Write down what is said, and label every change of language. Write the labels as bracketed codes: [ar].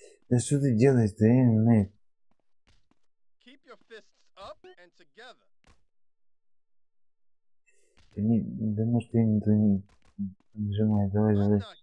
[ru] Да что ты делаешь-то, я не знаю. [en] Keep your fists up and together. [ru] Да не, да может я не то не нажимаю, давай, давай.